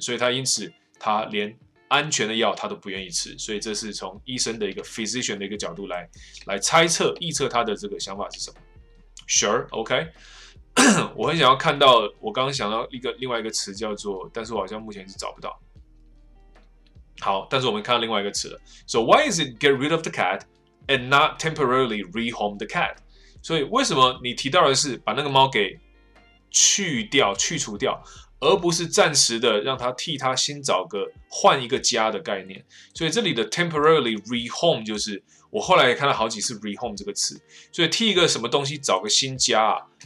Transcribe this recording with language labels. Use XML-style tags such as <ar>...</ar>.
<zh>所以他因此他连安全的药他都不愿意吃，所以这是从医生的一个 physician 的一个角度来猜测臆测他的这个想法是什么。</zh> <en>Sure, OK。</en> <zh>我很想要看到，我刚刚想到一个另外一个词叫做，但是我好像目前是找不到。好，但是我们看到另外一个词了。</zh> <en>So why is it get rid of the cat and not temporarily rehome the cat？</en> <zh>所以为什么你提到的是把那个猫给去掉、去除掉，而不是暂时的让它替它新找个换一个家的概念？所以这里的 temporarily rehome 就是我后来也看了好几次 rehome 这个词，所以替一个什么东西找个新家啊。</zh>